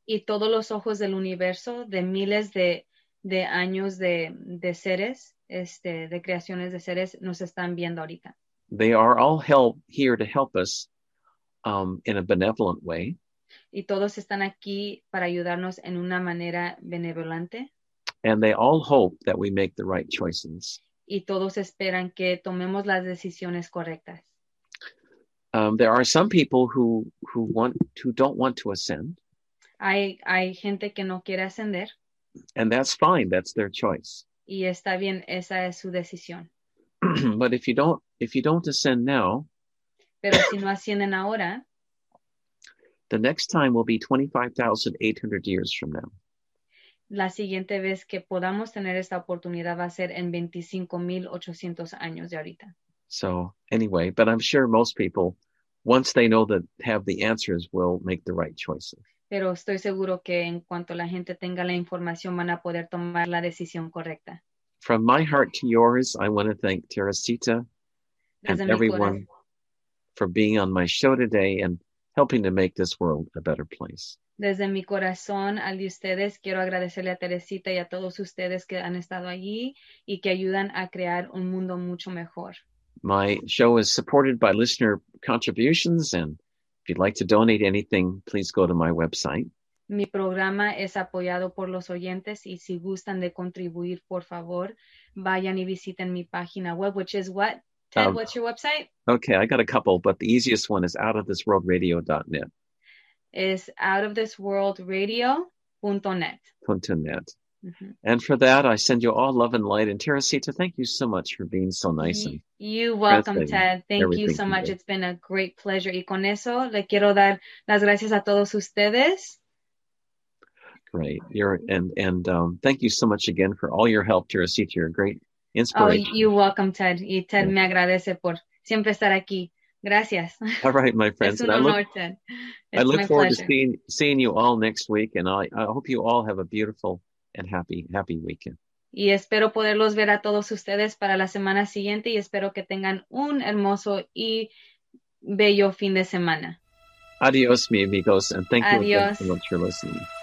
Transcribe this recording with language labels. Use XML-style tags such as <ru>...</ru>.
<es>Y todos los ojos del universo de miles de años de seres, este, de creaciones de seres, nos están viendo ahorita.</es> <en>They are all here to help us in a benevolent way.</en> <es>Y todos están aquí para ayudarnos en una manera benevolente.</es> <en>And they all hope that we make the right choices.</en> <es>Y todos esperan que tomemos las decisiones correctas.</es> <en>There are some people who don't want to ascend.</en> <es>Hay gente que no quiere ascender.</es> <en>And that's fine. That's their choice.</en> <es>Y está bien. Esa es su decisión.</es> <en>But if you don't ascend now,</en> <es>pero si no ascienden ahora,</es> <en>the next time will be 25,800 years from now.</en> <es>La siguiente vez que podamos tener esta oportunidad va a ser en 25,800 años de ahorita.</es> <en>So, anyway, but I'm sure most people, once they know that have the answers, will make the right choices.</en> <es>Pero estoy seguro que en cuanto la gente tenga la información, van a poder tomar la decisión correcta.</es> <en>From my heart to yours, I want to thank Teresita and everyone for being on my show today and helping to make this world a better place.</en> <es>Desde mi corazón, al de ustedes, quiero agradecerle a Teresita y a todos ustedes que han estado allí y que ayudan a crear un mundo mucho mejor.</es> <en>My show is supported by listener contributions, and if you'd like to donate anything, please go to my website.</en> <es>Mi programa es apoyado por los oyentes, y si gustan de contribuir, por favor, vayan y visiten mi página web,</es> <en>which is what? Ted, what's your website? Okay, I got a couple, but the easiest one is outofthisworldradio.net. Is outofthisworldradio.net. .net. Mm-hmm. And for that, I send you all love and light. And Teresita, thank you so much for being so nice. You're welcome, Ted. Thank you so much. It's been a great pleasure.</en> <es>Y con eso, le quiero dar las gracias a todos ustedes.</es> <en>Great. And thank you so much again for all your help, Teresita. You're a great inspiration. Oh, you're welcome, Ted.</en> <es>Y Ted me agradece por siempre estar aquí. Gracias.</es> <en>All right, my friends. I look forward to seeing you all next week. And I hope you all have a beautiful and happy weekend.</en> <es>Y espero poderlos ver a todos ustedes para la semana siguiente y espero que tengan un hermoso y bello fin de semana. Adiós, mi amigos,</es> <en>and thank you so much for listening.</en>